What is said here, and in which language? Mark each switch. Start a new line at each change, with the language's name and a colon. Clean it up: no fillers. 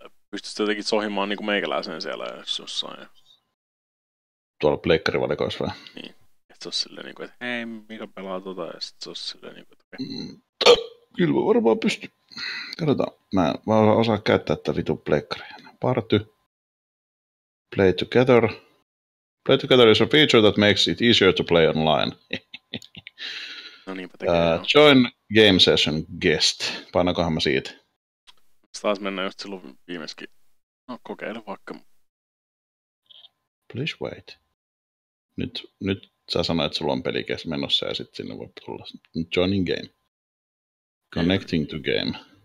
Finnish: Pystytkö jotenkin sohimaan niin kuin meikäläisen siellä jossain? Tuolla pleikkarivalikoissa vai? Niin. Että se olisi silleen niinku, että hei, mikä pelaa tota, ja sit se olisi silleen niinku, että kyllä varmaan pystyy. Katsotaan, mä en vaan osaa käyttää tätä vitun pleikkaria.
English: Party. Play together. Play together is a feature that makes it easier to play online.
Finnish: No niinpä tekee.
English: Join game session guest.
Finnish: Painakohan mä siitä? Sä taas mennä just silloin viimeiskin. No kokeile vaikka.
English: Please wait.
Finnish: Nyt. Sä sanoit, että sulla on pelikäs menossa ja sitten sinne voi tulla.
English: Joining game. Connecting to game.